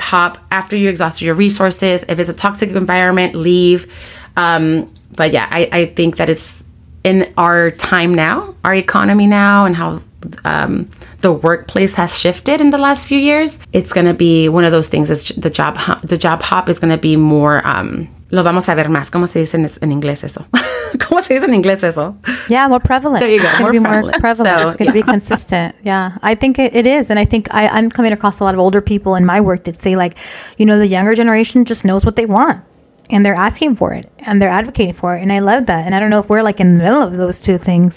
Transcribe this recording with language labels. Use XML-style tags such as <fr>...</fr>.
<en>Hop after you exhaust your resources. If it's a toxic environment, leave. But yeah, I think that it's in our time now, our economy now, and how the workplace has shifted in the last few years. It's going to be one of those things. It's the job hop is going to be more.</en> <es>Lo vamos a ver más. ¿Cómo se dice en inglés eso? ¿Cómo se dice en inglés eso?</es> <en>Yeah, more prevalent. There you go. It's going to be more prevalent. So, it's going to be consistent. Yeah, I think it is. And I think I'm coming across a lot of older people in my work that say, like, you know, the younger generation just knows what they want. And they're asking for it. And they're advocating for it. And I love that. And I don't know if we're like in the middle of those two things.</en>